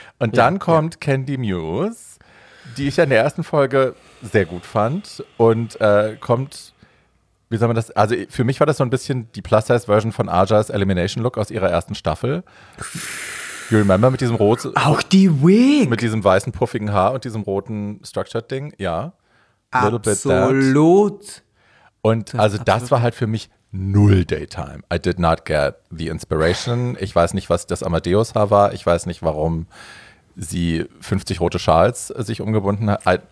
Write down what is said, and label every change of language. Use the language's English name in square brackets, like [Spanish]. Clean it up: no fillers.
[German] Und dann kommt Candy Muse, die ich ja in der ersten Folge sehr gut fand und kommt, wie soll man das, also für mich war das so ein bisschen die Plus-Size-Version von Aja's Elimination-Look aus ihrer ersten Staffel. [English] You remember, [German] mit diesem roten... Auch die Wig! Mit diesem weißen, puffigen Haar und diesem roten Structured-Ding, ja. Absolut. [English] Little bit that. Und also das war halt für mich... [German] Null Daytime. [English] I did not get the inspiration. [German] Ich weiß nicht, was das Amadeus-Haar war. Ich weiß nicht, warum sie 50 rote Schals sich umgebunden hat.